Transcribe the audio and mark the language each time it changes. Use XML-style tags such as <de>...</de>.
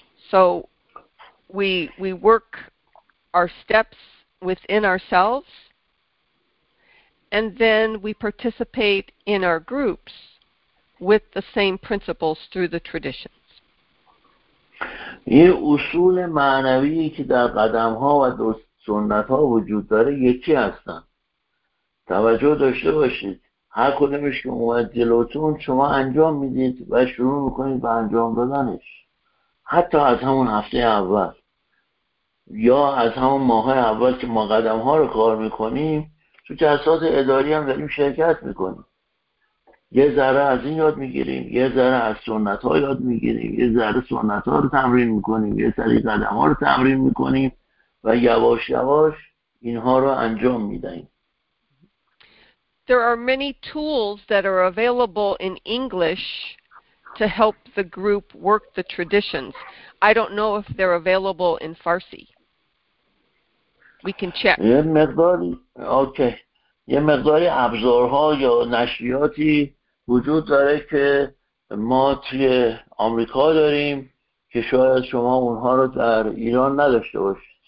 <en>So we work our steps within ourselves, and then we participate in our groups with the same principles through the traditions.</en> <fa>یه اصول معنوی که در قدم ها و سنت ها وجود داره یکی هستن. توجه داشته باشید هر کدومش که اومد جلوتون شما انجام میدید و شروع میکنید به انجام دادنش، حتی از همون هفته اول یا از همون ماه اول که ما قدم ها رو کار میکنیم، تو جلسات اداری هم داریم شرکت میکنیم، یه ذره از این یاد میگیریم، یه ذره از سنت ها یاد میگیریم، یه ذره سنت ها رو تمرین میکنیم، یه ذره قدم ها رو تمرین میکنیم و یواش یواش اینها رو انجام میدهیم.</fa> <en>There are many tools that are available in English to help the group work the traditions. I don't know if they're available in Farsi. We can check.</en> <fa>یه مقداری، اوکی. یه مقداری ابزارها یا نشریاتی وجود داره که ما توی آمریکا داریم که شاید شما اونها رو در ایران نداشته باشید.</fa>